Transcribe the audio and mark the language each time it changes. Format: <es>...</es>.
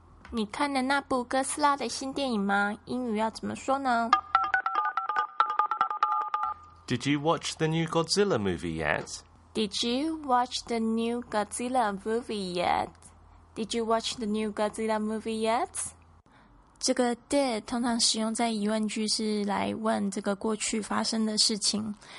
<zh>你看了那部哥斯拉的新电影吗？英语要怎么说呢？</zh> <en>Did you watch the new Godzilla movie yet? Did you watch the new Godzilla movie yet? Did you watch the new Godzilla movie yet?</en> <zh>这个 did 通常使用在疑问句是来问这个过去发生的事情。</zh>